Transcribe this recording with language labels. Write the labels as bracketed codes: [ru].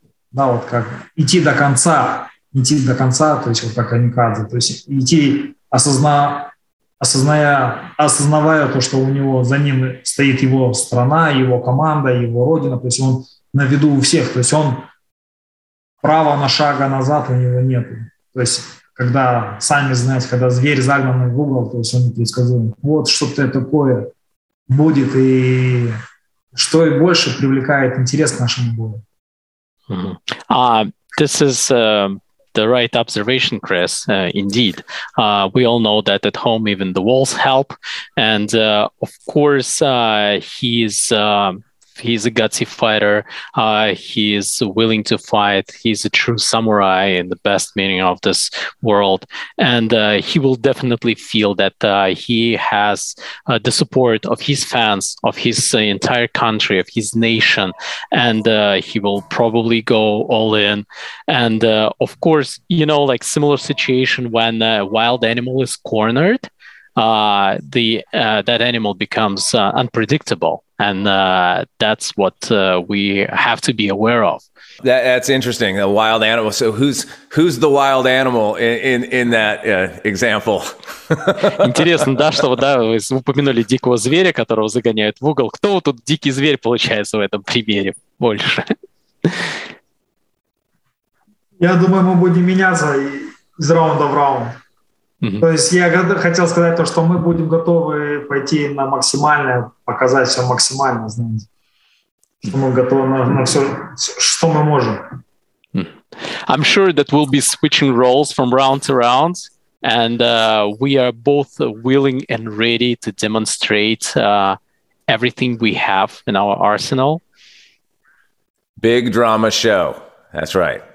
[ru] да, вот как идти до конца, то есть вот как камикадзе, то есть идти, осознавая то, что у него, за ним стоит его страна, его команда, его родина, то есть он на виду у всех, то есть он права на шага назад у него нет. То есть, когда, сами знаете, когда зверь загнанный в угол, то есть он непредсказуем. Вот что-то такое будет, и что и больше привлекает интерес к нашему бою. [en] This is the right observation, Chris, indeed. We all know that at home even the walls help, and of course he's a gutsy fighter. He's willing to fight. He's a true samurai in the best meaning of this world. And he will definitely feel that he has the support of his fans, of his entire country, of his nation. And he will probably go all in. And of course, you know, like similar situation when a wild animal is cornered, that animal becomes unpredictable. And that's what we have to be aware of. That's interesting. A wild animal. So who's the wild animal in that example? [ru] Интересно, да, что да, вы упомянули дикого зверя, которого загоняют в угол. Кто тут дикий зверь получается в этом примере больше? Я думаю, мы будем меняться из раунда в раунд. То есть я хотел сказать то, что мы будем готовы пойти на максимальное, показать все максимально, знаете, что мы готовы на все, что мы можем. [en] I'm sure that we'll be switching roles from round to round, and we are both willing and ready to demonstrate everything we have in our arsenal. Big drama show. That's right.